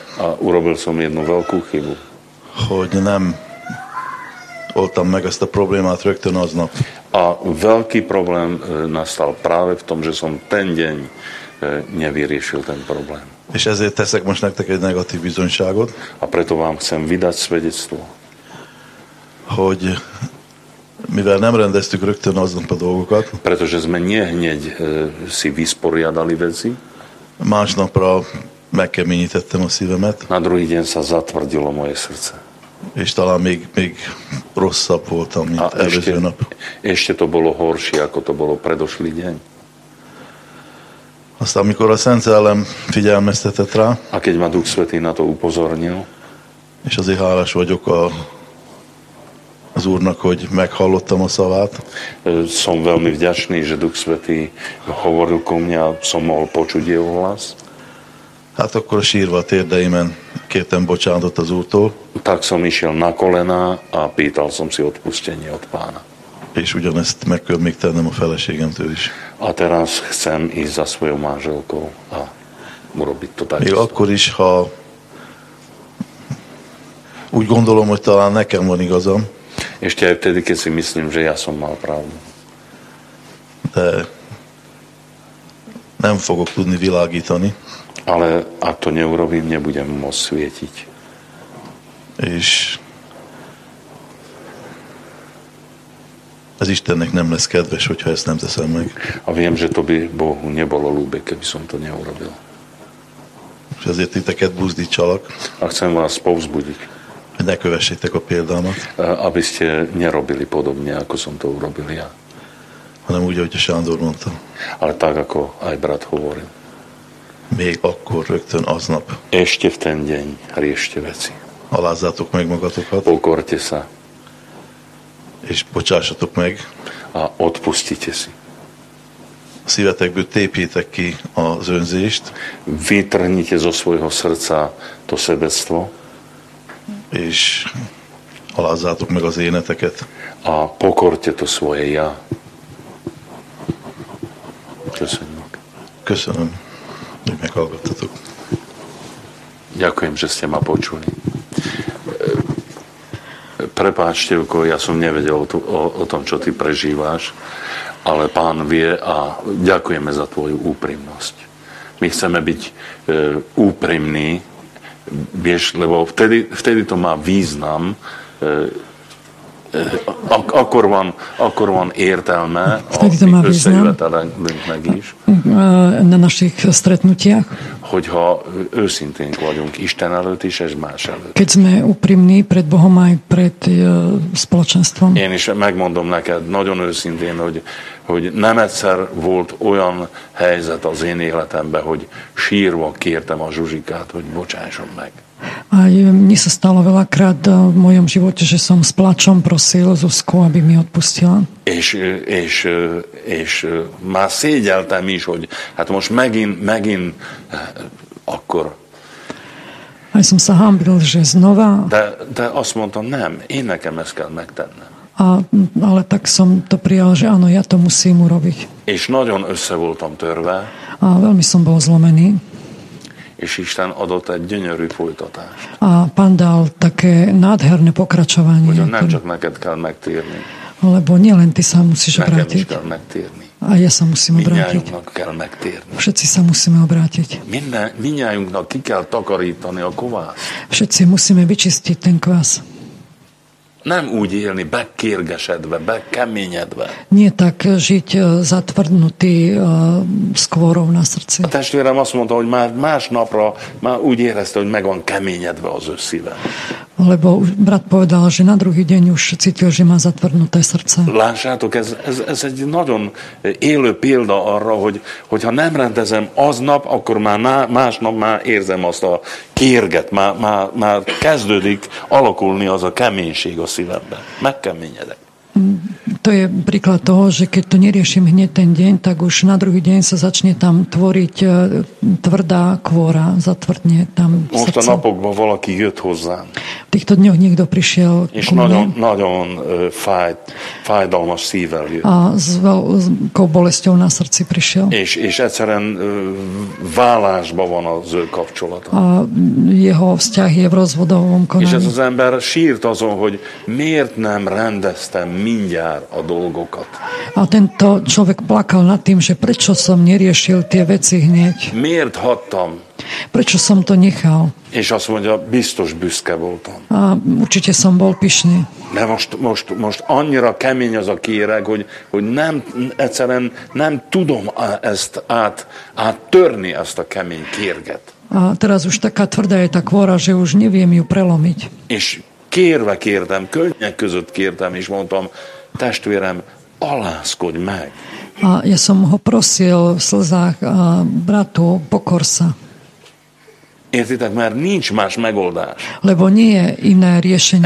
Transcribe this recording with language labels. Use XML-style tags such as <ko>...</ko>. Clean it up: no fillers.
<sk>A urobil som jednu veľkú chybu.</sk> <hu>Hogy nem oltam meg ezt a problémát rögtön aznap.</hu> <sk>A veľký problém nastal práve v tom, že som ten deň nevyriešil ten problém.</sk> <hu>És ezért teszek most nektek egy negatív bizonyságot.</hu> <sk>A preto vám chcem vydať svedectvo.</sk> <hu>Hogy mivel nem rendeztük rögtön aznap a dolgokat.</hu> <sk>Pretože sme nehneď si vysporiadali veci.</sk> <hu>Másnapra megkeményítettem a szívemet.</hu> <sk>Na druhý deň sa zatvrdilo moje srdce.</sk> <hu>És talán még rosszabb voltam, mint előző nap.</hu> <sk>Ešte to bolo horšie, ako to bolo predošlý deň.</sk> <hu>Aztán, amikor a Szent Szellem figyelmeztetett rá.</hu> <sk>A keď ma Duch Svätý na to upozornil.</sk> <hu>És azért hálás vagyok az Úrnak, hogy meghallottam a szavát.</hu> <sk>Som veľmi vďačný, že Duch Svätý hovoril ku mne a som mohol počuť jeho hlas.</sk> <hu>Hát akkor sírva térdeimen kértem bocsánatot az Úrtól.</hu> <sk>Tak som išiel na kolená a pýtal som si odpustenie od Pána.</sk> <hu>És ugyanezt meg kell még tennem a feleségemtől is.</hu> <sk>A teraz chcem ísť za svojou manželkou a urobiť to takisto.</sk> <hu>Még akkor is, ha úgy gondolom, hogy talán nekem van igazam.</hu> <sk>Ešte aj vtedy, keď si myslím, že ja som mal pravdu.</sk> <hu>De nem fogok tudni világítani.</hu> <sk>Ale ak to neurobím, nebudem môcť svietiť.</sk> <hu>És ez Istennek nem lesz kedves, hogyha ezt nem teszem meg.</hu> <sk>A viem, že to by Bohu nebolo ľúbe, keby som to neurobil.</sk> <hu>És ezért titeket buzdítsalak.</hu> <sk>A chcem vás povzbudiť.</sk> <hu>Ne kövessétek a példámat.</hu> <sk>Aby ste nerobili podobne, ako som to urobil ja.</sk> <hu>Hanem úgy, ahogy a Sándor mondta.</hu> <sk>Ale tak, ako aj brat hovoril.</sk> <hu>Még akkor, rögtön aznap.</hu> <sk>Ešte v ten deň riešte veci.</sk> <hu>Alázzátok meg magatokat.</hu> <sk>Pokorte sa.</sk> <hu>És bocsássatok meg.</hu> <sk>A odpustite si.</sk> <hu>A szívetekből tépjétek ki az önzést.</hu> <sk>Vytrhnite zo svojho srdca to sebectvo.</sk> <hu>És alázzátok meg az éneteket.</hu> <sk>A pokortje to svoje ja.</sk> <hu>Köszönjük. Köszönöm, hogy meghallgattatok.</hu> <sk>Ďakujem, že ste ma počuli. Prepáč, Števko, ja som nevedel o tom, čo ty prežíváš, ale Pán vie a ďakujeme za tvoju úprimnosť. My chceme byť úprimní. Vieš, lebo vtedy to má význam</sk> <hu>akkor van értelme a összejöveteleknek is.</hu> <sk>Na našich stretnutiach.</sk> <hu>Hogyha őszintén vagyunk Isten előtt is, és más előtt.</hu> <sk>Keď sme úprimní pred Bohom aj pred spoločenstvom.</sk> <hu>Én is megmondom neked nagyon őszintén, hogy nem egyszer volt olyan helyzet az én életemben, hogy sírva kértem a Zsuzsikát, hogy bocsásson meg.</hu> <sk>A mi sa stalo veľakrát v mojom živote, že som s plačom prosil Zuzku, aby mi odpustila.</sk> <hu>És már szégyeltem is, hogy hát most megint akkor.</hu> <sk>Aj som sa hambil, že znova.</sk> <hu>De azt mondtam, nem, én nekem ezt kell megtennem.</hu> <sk>Ale tak som to prijal, že áno, ja to musím urobiť.</sk> <hu>És nagyon össze voltam törve.</hu> <sk>A veľmi som bol zlomený.</sk> <hu>És Isten adott egy gyönyörű folytatást.</hu> <sk>A Pán dal také nádherné pokračovanie.</sk> <hu>Hogy nem csak neked kell megtérni.</hu> <sk>Lebo nielen ty sa musíš obrátiť.</sk> <hu>Nekem is kell megtérni.</hu> <sk>A ja sa musím obrátiť.</sk> <hu>Minnyájunknak kell megtérni.</hu> <sk>Všetci sa musíme obrátiť.</sk> <hu>Minnyájunknak ki kell takarítani a kovászt.</hu> <sk>Všetci musíme vyčistiť ten kvás.</sk> <hu>Nem úgy élni, bekérgesedve, bekeményedve.</hu> <sk>Nie tak žiť zatvrdnutý skvorov na srdci.</sk> <hu>A testvérem azt mondta, hogy már másnapra már úgy érezte, hogy meg van keményedve az ő szíve.</hu> <sk>Lebo brat povedal, že na druhý deň už cítil, že má zatvrdnuté srdce.</sk> <hu>Lássátok, ez egy nagyon élő példa arra, hogy ha nem rendezem aznap, akkor már másnap már érzem azt a kérget, már kezdődik alakulni az a keménység a szívemben. Megkeményedek.</hu> <sk>To je príklad toho, že keď to neriešim hneď ten deň, tak už na druhý deň sa začne tam tvoriť tvrdá kvôra, zatvrdne tam srdce.</sk> <hu>Most a napokban valaký jött hozzám.</hu> <sk>V týchto dňoch niekto prišiel ku mne.</sk> <hu>Nagyon, nagyon fájdalmas szívvel jött.</hu> <sk>A s veľkou bolesťou na srdci prišiel.</sk> <hu>És egyszerűen válásban van az ő kapcsolata.</hu> <sk>A jeho vzťah je v rozvodovom konaní.</sk> <hu>És ez az ember sírt azon, hogy miért nem rendeztem mindjárt a dolgokat.</hu> <sk>A tento človek plakal nad tým, že prečo som neriešil tie veci hneď.</sk> <hu>Miért hattam?</hu> <sk>Prečo som to nechal?</sk> <hu>És azt mondja, biztos büszke voltam.</hu> <sk>A určite som bol pyšný.</sk> <hu>De most annyira kemény az a kéreg, hogy nem, egyszerűen nem tudom ezt áttörni, ezt a kemény kérget.</hu> <sk>A teraz už taká tvrdá je tá kvôra, že už neviem ju prelomiť.</sk> <hu>És kérve kértem, könnyek között kértem, és mondtam, testvérem, alázkodj meg.</hu> <sk>A ja som ho prosil v slzách, a bratu, pokor sa.</sk> <hu>Értitek, mert nincs más megoldás.</hu> <sk>Lebo nie je iné riešenie.</sk>